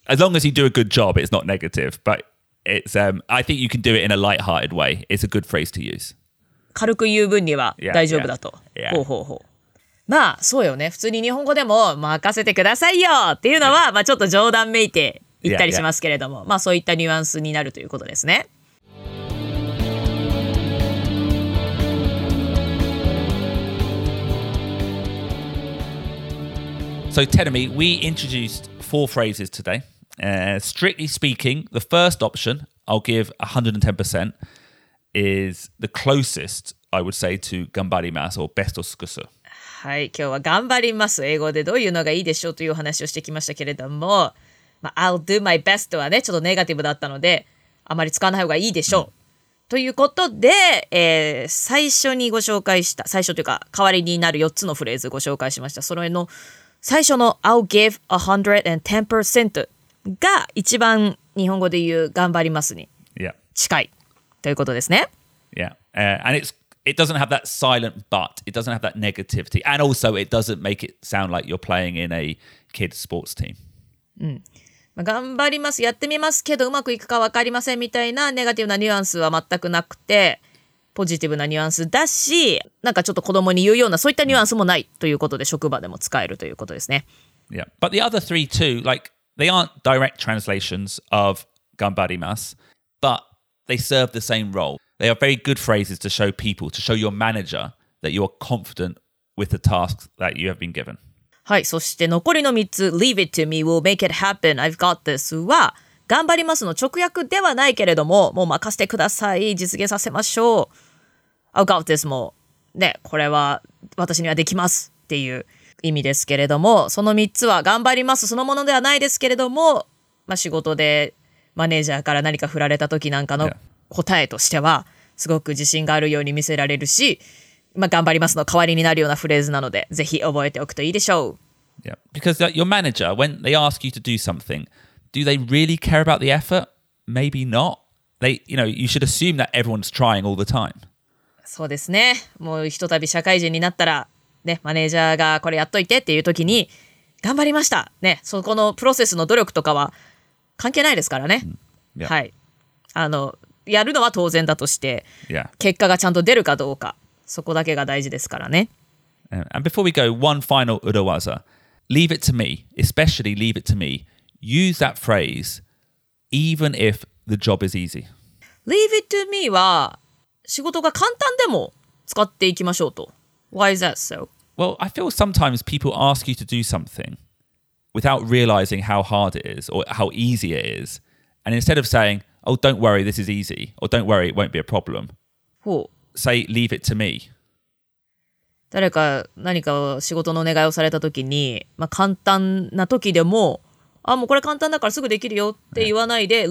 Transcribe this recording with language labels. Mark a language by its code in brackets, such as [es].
[en] As long as you do a good job, it's not negative. But it's, I think you can do it in a light-hearted way. It's a good phrase to use. [ja] 軽く言う分には大丈夫だと。 [en] Yeah, yeah. [ja] ほうほうほう。まあ、そうよね。普通に日本語でも任せてくださいよっていうのは、 [en] yeah. [ja] まあちょっと冗談めいて言ったりしますけれども、 [en] yeah, yeah. [ja] まあそういったニュアンスになるということですね。 [en] So, Tenemi, we introduced four phrases today. Strictly speaking, the first option, I'll give 110%, is the closest, I would say, to 頑張ります or [ja] best を尽くす。はい、今日は頑張ります。英語でどういうのがいいでしょうという話をしてきましたけれども、まあ、 [en] I'll do my best [ja] はね、ちょっとネガティブだったので、あまり使わない方がいいでしょう。ということで、最初にご紹介した、最初というか、代わりになる4つのフレーズをご紹介しました。その辺の最初の [en] I'll give 110% [ja] が一番日本語で言う頑張りますに近いということですね。 [en] Yeah. And it doesn't have that silent but. It doesn't have that negativity. And also it doesn't make it sound like you're playing in a kid sports team. [ja] うん。まあ、頑張ります、やってみますけどうまくいくか分かりませんみたいなネガティブなニュアンスは全くなくてポジティブなニュアンスだし、なんかちょっと子供に言うようなそういったニュアンスもないということで職場でも使えるということですね。 [en] Yeah, but the other three too, like they aren't direct translations of 頑張ります, but they serve the same role. They are very good phrases to show people, to show your manager that you are confident with the tasks that you have been given. [ja] はい、そして残りの3つ、 [en] Leave it to me, we'll make it happen, I've got this [ja] は、頑張りますの直訳ではないけれども、もう任せてください、実現させましょう。 [en] I've got this [ja] も、ね、これは私にはできますっていう意味ですけれども、その3つは頑張りますそのものではないですけれども、まあ、仕事でマネージャーから何か振られた時なんかの答えとしては、すごく自信があるように見せられるし、まあ、頑張りますの代わりになるようなフレーズなので、ぜひ覚えておくといいでしょう。 [en] Yeah. Because your manager, when they ask you to do something,Do they really care about the effort? Maybe not. They, you know, you should assume that everyone's trying all the time. [ja] そうですね。もうひとたび社会人になったら、ね、マネージャーがこれやっといてっていう時に、頑張りました。ね、そこのプロセスの努力とかは関係ないですからね。 [en] Yeah. [ja] はい。やるのは当然だとして、 [en] yeah. [ja] 結果がちゃんと出るかどうか、そこだけが大事ですからね。 [en] And before we go, one final 裏技.Leave it to me, especially leave it to me. Use that phrase, even if the job is easy. Leave it to me [ja] は仕事が簡単でも使っていきましょうと。 [en] Why is that so? Well, I feel sometimes people ask you to do something without realizing how hard it is or how easy it is. And instead of saying, oh, don't worry, this is easy. Or don't worry, it won't be a problem. Say, leave it to me. [ja] 誰か何か仕事のお願いをされた時に、まあ、簡単な時でもあ、もうこれ簡単だからすぐできるよって言わないで、 [en] yeah.